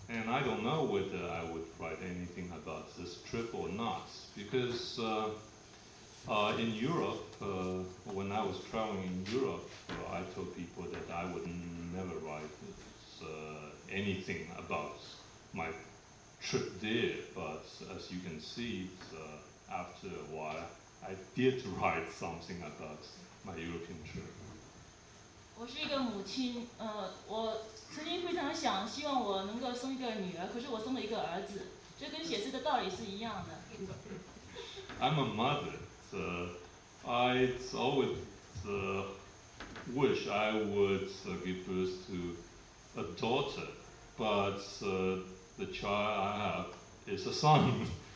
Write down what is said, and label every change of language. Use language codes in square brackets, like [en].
[en] I don't know whether I would write anything about this trip or not, because in Europe, when I was traveling in Europe, I told people that I would never write anything about my trip there, but as you can see, after a while, I did write something about my European trip. [zh] 我是一个母亲，我曾经非常想希望我能够生一个女儿，可是我生了一个儿子，这跟写诗的道理是一样的。 [en] I'm a mother. I always wish I would give birth to a daughter, but the child I have is a son.